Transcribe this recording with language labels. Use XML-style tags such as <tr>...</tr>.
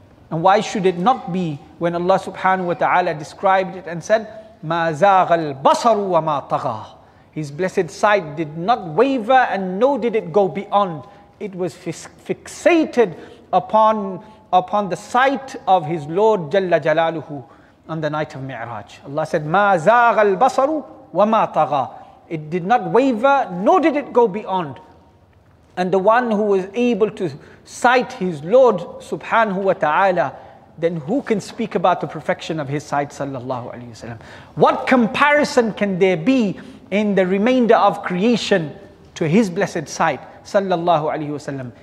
<en>And why should it not be when Allah subhanahu wa ta'ala described it and said,</en> <ar>مَا زَاغَ الْبَصَرُ وَمَا طَغَى.</ar> <en>His blessed sight did not waver and nor did it go beyond. It was fixated upon the sight of his Lord Jalla Jalaluhu on the night of Mi'raj. Allah said,</en> <ar>مَا زَاغَ الْبَصَرُ وَمَا طَغَى.</ar> <en>It did not waver nor did it go beyond. And the one who was able to sight his Lord subhanahu wa ta'ala, then who can speak about the perfection of his sight sallallahu alayhi wa sallam? What comparison can there be in the remainder of creation to his blessed sight sallallahu alayhi wa sallam?</en>